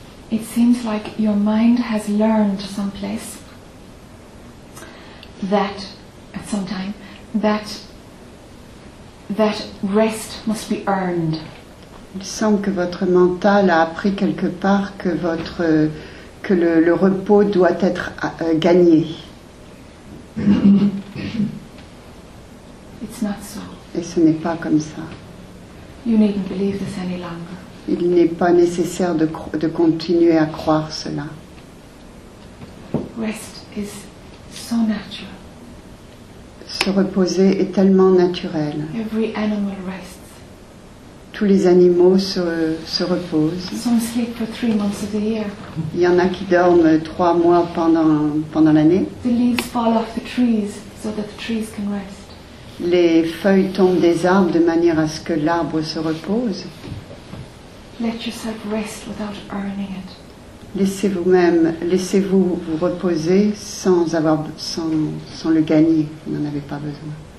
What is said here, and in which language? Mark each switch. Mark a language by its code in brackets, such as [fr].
[en] It seems like your mind has learned someplace that at some time that rest must be earned. [fr] Il semble que votre mental a appris quelque part que le repos doit être gagné. [en] It's not so. [fr] Et ce n'est pas comme ça. [en] You needn't believe this any longer. [fr] Il n'est pas nécessaire de continuer à croire cela. [en] Rest is so natural. [fr] Se reposer est tellement naturel. [en] Every animal rests. [fr] Tous les animaux se reposent. [en] Some sleep for 3 months of the year. [fr] Il y en a qui dorment 3 mois pendant l'année. [en] The leaves fall off the trees so that the trees can rest. [fr] Les feuilles tombent des arbres de manière à ce que l'arbre se repose. [en] Let yourself rest without earning it. [fr] Laissez-vous vous reposer sans le gagner. Vous n'en avez pas besoin.